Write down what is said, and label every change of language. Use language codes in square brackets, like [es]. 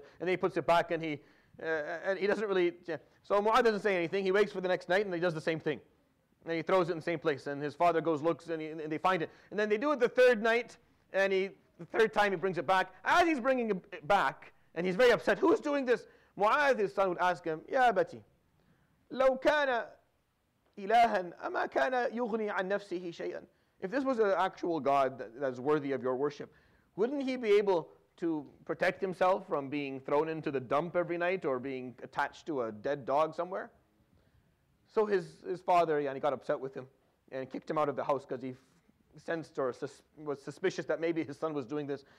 [en] And then he puts it back and he doesn't really. So Mu'adh doesn't say anything. He wakes for the next night and he does the same thing. And he throws it in the same place. And his father goes, looks, and they find it. And then they do it the third night. And the third time he brings it back. As he's bringing it back, and he's very upset, who's doing this? [ar] Mu'adh, [en] his son, would ask him, [ar] Ya Abati, لو كان إلها أما كان يغني عن نفسه شيئا. [en] If this was an actual God that is worthy of your worship, wouldn't he be able to protect himself from being thrown into the dump every night or being attached to a dead dog somewhere? So his father, he got upset with him and kicked him out of the house because he sensed or was suspicious that maybe his son was doing this.